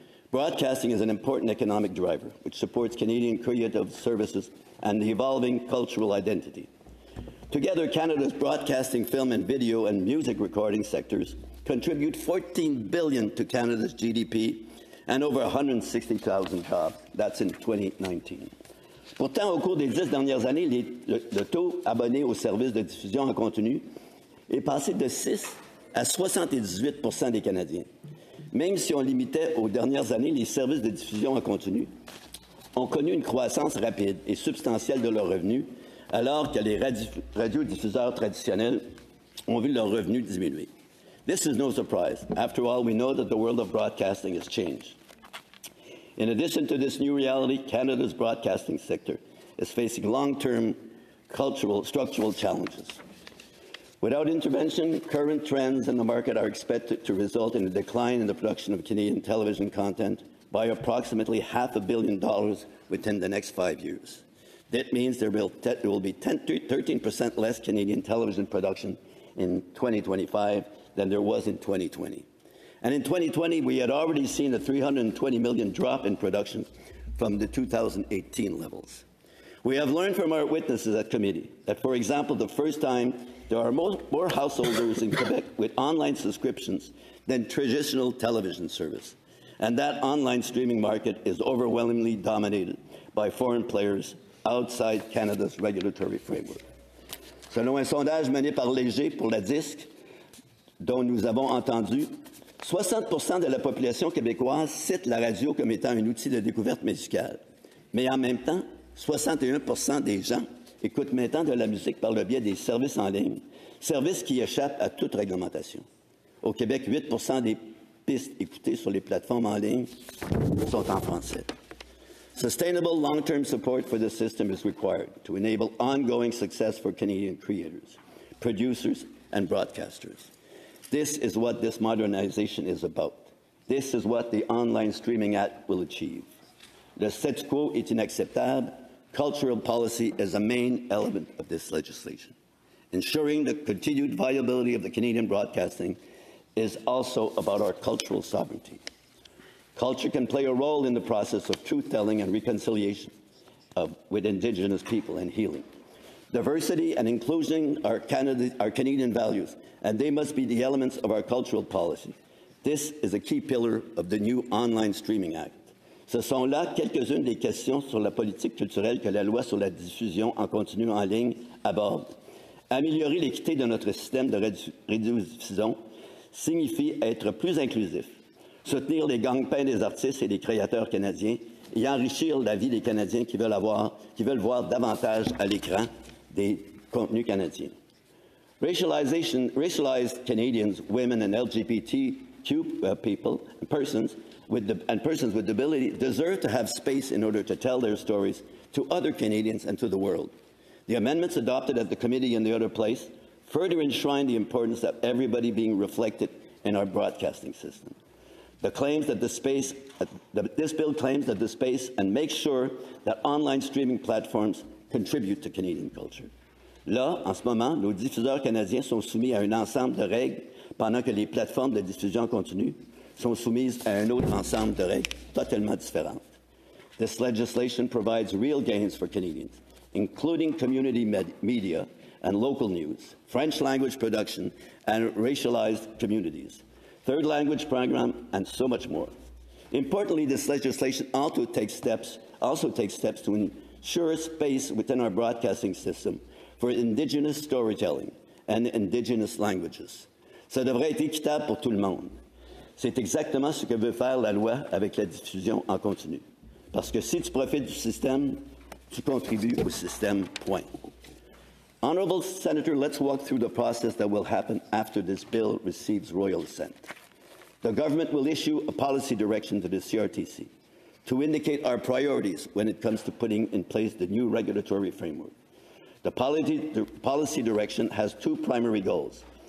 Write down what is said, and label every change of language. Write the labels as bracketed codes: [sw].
[en] Broadcasting is an important economic driver, which supports Canadian creative services and the evolving cultural identity. Together, Canada's broadcasting, film and video and music recording sectors contribute $14 billion to Canada's GDP and over 160,000 jobs. That's in 2019. [fr] Pourtant, au cours des 10 dernières années, le taux abonné aux services de diffusion en continu est passé de 6 à 78% des Canadiens. Même si on limitait aux dernières années les services de diffusion en continu, ont connu une croissance rapide et substantielle de leurs revenus, alors que les radiodiffuseurs traditionnels ont vu leurs revenus diminuer. [en] This is no surprise. After all, we know that the world of broadcasting has changed. In addition to this new reality, Canada's broadcasting sector is facing long-term cultural structural challenges. Without intervention, current trends in the market are expected to result in a decline in the production of Canadian television content by approximately $500 million within the next 5 years. That means there will be 13% less Canadian television production in 2025 than there was in 2020. And in 2020, we had already seen a $320 million drop in production from the 2018 levels. We have learned from our witnesses at committee that, for example, the first time there are more householders in Quebec with online subscriptions than traditional television service, and that online streaming market is overwhelmingly dominated by foreign players outside Canada's regulatory framework. [fr] Selon un sondage mené par Léger pour la disque, dont nous avons entendu, 60% de la population québécoise cite la radio comme étant un outil de découverte musicale. Mais en même temps, 61% des gens écoutent maintenant de la musique par le biais des services en ligne, services qui échappent à toute réglementation. Au Québec, 8% des pistes écoutées sur les plateformes en ligne sont en français. [en] Sustainable long-term support for the system is required to enable ongoing success for Canadian creators, producers, and broadcasters. This is what this modernization is about. This is what the Online Streaming Act will achieve. The status quo is inacceptable. Cultural policy is a main element of this legislation. Ensuring the continued viability of the Canadian broadcasting is also about our cultural sovereignty. Culture can play a role in the process of truth-telling and reconciliation with Indigenous people and healing. Diversity and inclusion are Canadian values, and they must be the elements of our cultural policy. This is a key pillar of the new Online Streaming Act. [fr] Ce sont là quelques-unes des questions sur la politique culturelle que la loi sur la diffusion en continu en ligne aborde. Améliorer l'équité de notre système de radiodiffusion signifie être plus inclusif, soutenir les gagne-pains des artistes et des créateurs canadiens et enrichir la vie des Canadiens qui veulent voir davantage à l'écran des contenus canadiens. [en] Racialized Canadians, women and LGBTQ people and persons persons with disability deserve to have space in order to tell their stories to other Canadians and to the world. The amendments adopted at the committee and the other place further enshrine the importance of everybody being reflected in our broadcasting system. This bill claims that the space and makes sure that online streaming platforms contribute to Canadian culture. [fr] Là, en ce moment, nos diffuseurs canadiens sont soumis à un ensemble de règles pendant que les plateformes de diffusion continuent. Sont soumises à un autre ensemble de règles totalement différentes. [en] This legislation provides real gains for Canadians, including community media and local news, French language production, and racialized communities, third language program, and so much more. Importantly, this legislation also takes steps to ensure space within our broadcasting system for Indigenous storytelling and Indigenous languages. [fr] Ça devrait être équitable pour tout le monde. C'est exactement ce que veut faire la loi avec la diffusion en continu. Parce que si tu profites du système, tu contribues au système, point. [en] Honorable Senator, let's walk through the process that will happen after this bill receives royal assent. The government will issue a policy direction to the CRTC to indicate our priorities when it comes to putting in place the new regulatory framework. The policy direction has two primary goals.